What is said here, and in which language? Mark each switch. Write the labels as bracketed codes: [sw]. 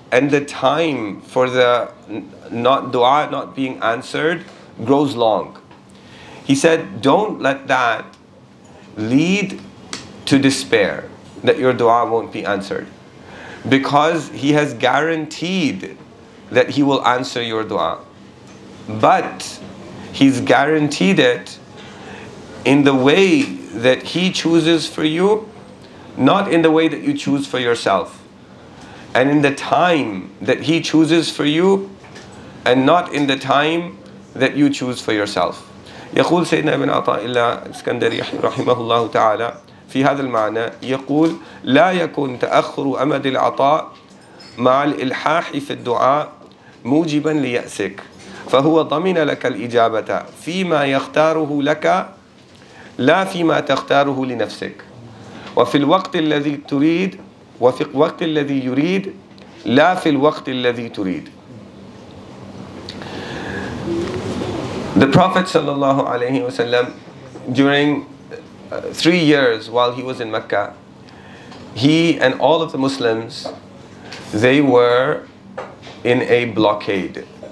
[en] the time for the dua not being answered grows long, he said, don't let that lead to despair that your dua won't be answered, because He has guaranteed that He will answer your dua, but He's guaranteed it in the way that He chooses for you, not in the way that you choose for yourself, and in the time that He chooses for you and not in the time that you choose for yourself. [ar] يقول سيدنا ابن عطاء الله الإسكندري رحمه الله تعالى في هذا المعنى يقول لا يكون تأخر أمد العطاء مع الإلحاح في الدعاء موجبا ليأسك فهو ضمن لك الإجابة فيما يختاره لك لا فيما تختاره لنفسك وفي الوقت الذي تريد وفي الوقت الذي يريد لا في الوقت الذي تريد. [en] The Prophet sallallahu alaihi wasallam, during 3 years while he was in Mecca, he and all of the Muslims, they were in a blockade.